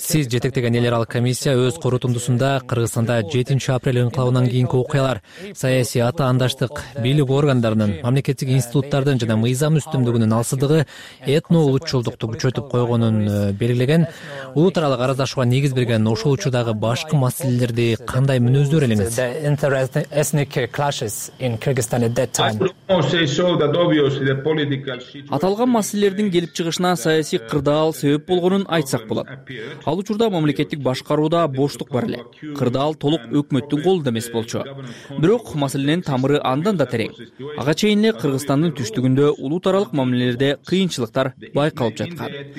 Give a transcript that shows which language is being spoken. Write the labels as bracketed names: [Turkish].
[Kyrgyz] Сиз жетектеген эл аралык комиссия өз корутундусунда Кыргызстанда 7 апрель инкылабынан кийинки окуялар, саясий атаандаштык, бийлик органдарынын, мамлекеттик институттардын жана мыйзам үстөмдүгүнүн алсыздыгы этно улутчулдукту күчөтүп койгонун белгилеген, улут аралык араздашууга негиз берген ошол учурдагы башкы маселелерди кандай мүнөздөр элеңиз? [English] The interethnic clashes in Kyrgyzstan at that time. [Kyrgyz] Аталган маселелердин келип чыгышына саясий кырдаал себеп болгонун айтсак болот. Ал учурда мамлекеттик башкарууда боштук бар эле. Кырдаал толук өкмөттүн колунда эмес болчу. Бирок маселенин тамыры андан да терең. Ага чейин эле Кыргызстандын түштүгүндө улут аралык мамилелерде кыйынчылыктар байкалып жаткан.